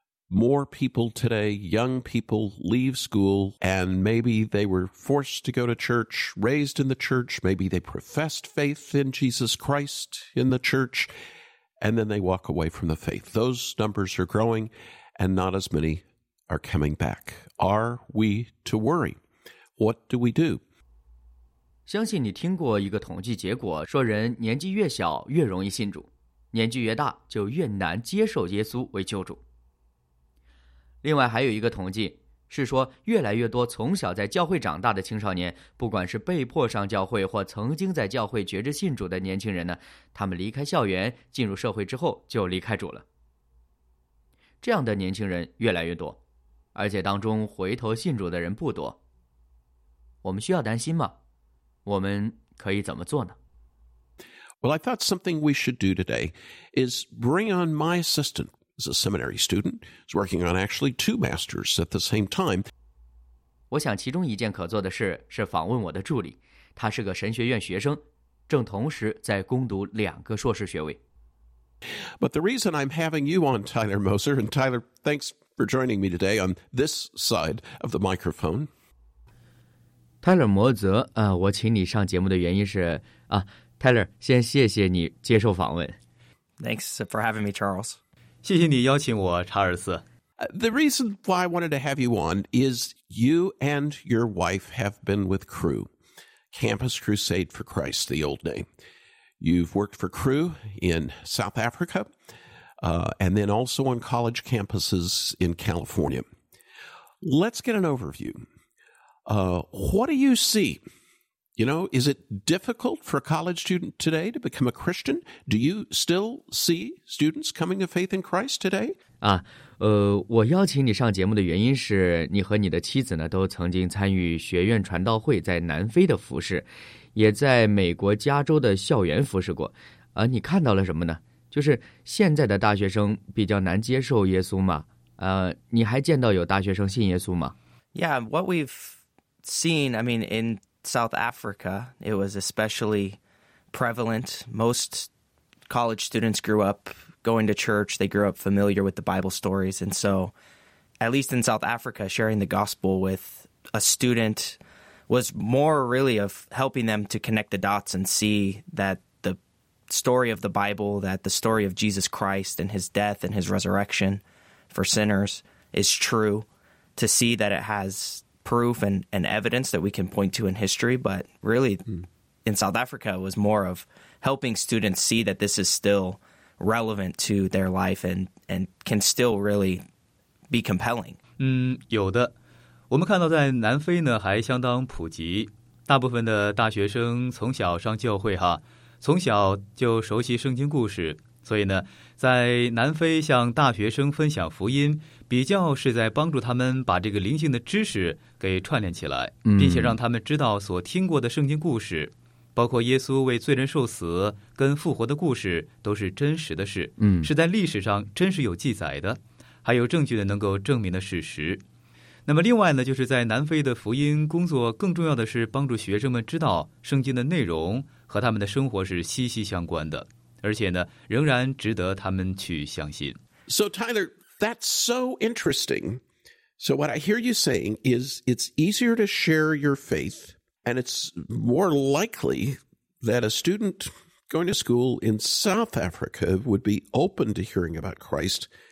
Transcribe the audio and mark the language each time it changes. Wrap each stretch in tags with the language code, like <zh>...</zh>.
<en>More people today, young people, leave school, and maybe they were forced to go to church, raised in the church, maybe they professed faith in Jesus Christ in the church,And then they walk away from the faith. Those numbers are growing, and not as many are coming back. Are we to worry? What do we do?</en> <zh>相信你听过一个统计结果，说人年纪越小越容易信主，年纪越大就越难接受耶稣为救主。另外还有一个统计，是说越来越多从小在教会长大的青少年，不管是被迫上教会或曾经在教会觉知信主的年轻人呢，他们离开校园进入社会之后就离开主了。这样的年轻人越来越多，而且当中回头信主的人不多，我们需要担心吗？我们可以怎么做呢？</zh> <en>Well, I thought something we should do today is bring on my assistant. He's a seminary student. He's working on actually two masters at the same time.</en> <zh>我想其中一件可做的事是访问我的助理。他是个神学院学生，正同时在攻读两个硕士学位。</zh> <en>But the reason I'm having you on, Tyler Moser, and Tyler, thanks for joining me today on this side of the microphone.</en> <zh>Tyler 摩泽，我请你上节目的原因是，Tyler, 先谢谢你接受访问。</zh> <en>Thanks for having me, Charles.</en> <zh>谢谢你邀请我，查尔斯。</zh> <en>The reason why I wanted to have you on is you and your wife have been with CRU, Campus Crusade for Christ, the old name. You've worked for CRU in South Africa, and then also on college campuses in California. Let's get an overview. What do you see? You know, is it difficult for a college student today to become a Christian? Do you still see students coming to faith in Christ today?</en> <zh>我邀请你上节目的原因是你和你的妻子呢都曾经参与学院传道会在南非的服事。也在美国加州的校园服侍过，你看到了什么呢？就是现在的大学生比较难接受耶稣吗？你还见到有大学生信耶稣吗？</zh> <en>Yeah, what we've seen, I mean, in South Africa, it was especially prevalent. Most college students grew up going to church. They grew up familiar with the Bible stories. And so, at least in South Africa, sharing the gospel with a studentwas more really of helping them to connect the dots and see that the story of the Bible, that the story of Jesus Christ and his death and his resurrection for sinners is true, to see that it has proof and evidence that we can point to in history. But really, in South Africa, it was more of helping students see that this is still relevant to their life and can still really be compelling.</en> <zh>有的。我们看到在南非呢还相当普及，大部分的大学生从小上教会哈，从小就熟悉圣经故事，所以呢在南非向大学生分享福音比较是在帮助他们把这个灵性的知识给串联起来，并且让他们知道所听过的圣经故事，包括耶稣为罪人受死跟复活的故事都是真实的事，是在历史上真实有记载的，还有证据的能够证明的事实。那么另外呢，就是在南非的福音工作更重要的是帮助学生们知道圣经的内容和他们的生活是息息相关的，而且呢仍然值得他们去相信。</zh> <en>So Tyler, that's so interesting. So what I hear you saying is it's easier to share your faith and it's more likely that a student going to school in South Africa would be open to hearing about Christ.</en>